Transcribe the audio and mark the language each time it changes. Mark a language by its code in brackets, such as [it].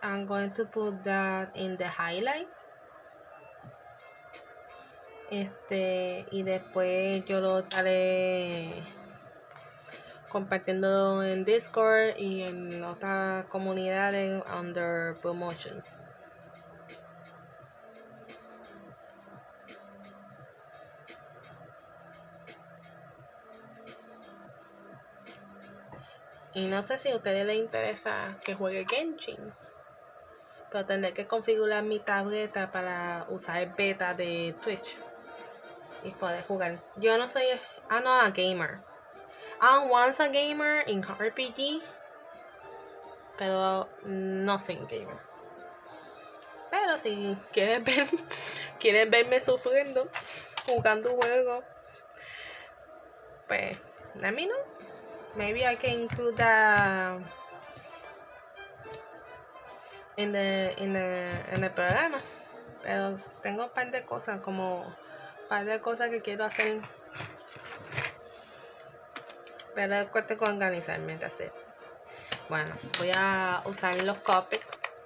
[en] I'm going to put that in the highlights. [es] Y después yo lo estaré compartiendo en Discord y en otras comunidades [en] under promotions. [es] Y no sé si a ustedes les interesa que juegue Genshin. Pero tendré que configurar mi tableta para usar el beta de Twitch. Y poder jugar. Yo no soy... [en] I'm not a gamer. I'm once a gamer in RPG. [es] Pero no soy un gamer. Pero si quieres ver, quieres verme sufriendo jugando juego, pues, [en] let me know. Maybe I can include that in the program. [es] Pero tengo un par de cosas, como par de cosas que quiero hacer. Pero cuesta con organizarme de hacer. Bueno, voy a usar los Copics.